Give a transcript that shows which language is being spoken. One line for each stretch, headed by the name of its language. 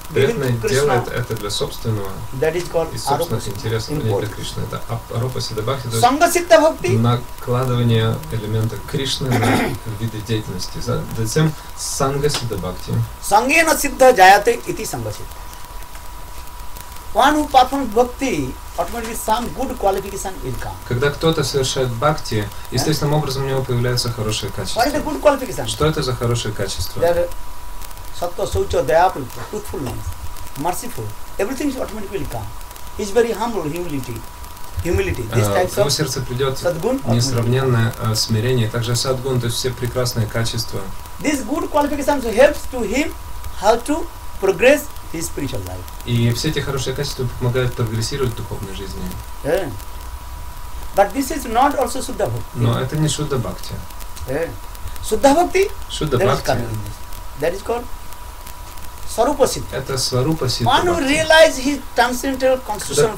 Russian: Кришна делает это для собственного
English: that is called
Russian: и собственных интересов, а не для Кришны. Это аропа сидда бхакти, то есть накладывание элемента Кришны на виды деятельности. Затем санга сидда бхакти.
Sanskrit: Сангена сидда джаяте ити санга сидда.
English: One who performs bhakti, automatically some good qualification will come.
Russian: Когда кто-то совершает бхакти, естественным образом у него появляются хорошие качества.
English: What is the good qualification?
Russian: Что это за хорошие качества?
English: Sattva, Saucha, Dayapul, Truthfulness, Merciful, everything is automatically will come. He is very humble, humility. This type of
Russian: в его сердце придет садгун, несравненное смирение, также садгун, то есть все прекрасные качества.
English: This good qualification helps to him how to progress his spiritual life.
Russian: И все эти хорошие качества помогают прогрессировать в духовной жизни.
English: Yeah. But this is not also Shuddha Bhakti.
Russian: Но это не Shuddha Bhakti.
English: Yeah. Shuddha Bhakti? Shuddha Bhakti. That is called Swarupa Siddha.
Russian: Это Swarupa Siddha.
English: One who realizes his transcendental constitution of